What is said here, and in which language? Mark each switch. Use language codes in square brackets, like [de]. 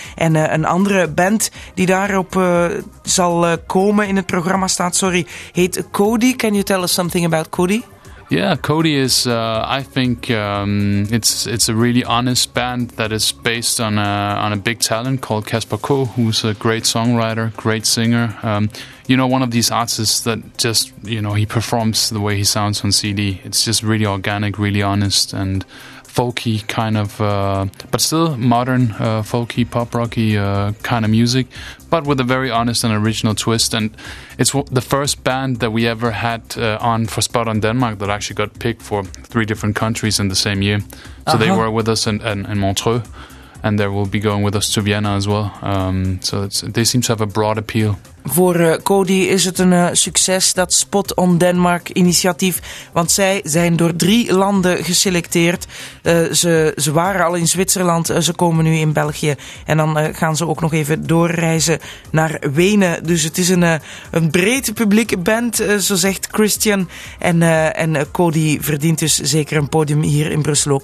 [nl] En een andere band die daarop zal komen in het programma staat, heet Cody. [en] Can you tell us something about Cody? Yeah, Cody is, I think, it's a really honest band that is based on a big talent called Kasper Kå, who's a great songwriter, great singer. You know, one of these artists that just, you know, he performs the way he sounds on CD. It's just really organic, really honest, and folky kind of, but still modern, folky, pop-rocky kind of music, but with a very honest and original twist. And it's the first band that we ever had on for Spot on Denmark that actually got picked for 3 different countries in the same year. So They were with us in Montreux, and they will be going with us to Vienna as well. They seem to have a broad appeal. [nl] Voor Cody is het een succes, dat Spot on Denmark initiatief, want zij zijn door 3 landen geselecteerd. Ze waren al in Zwitserland, ze komen nu in België, en dan gaan ze ook nog even doorreizen naar Wenen. Dus het is een breed publieke band, zo zegt Christian, en Cody verdient dus zeker een podium hier in Brussel ook.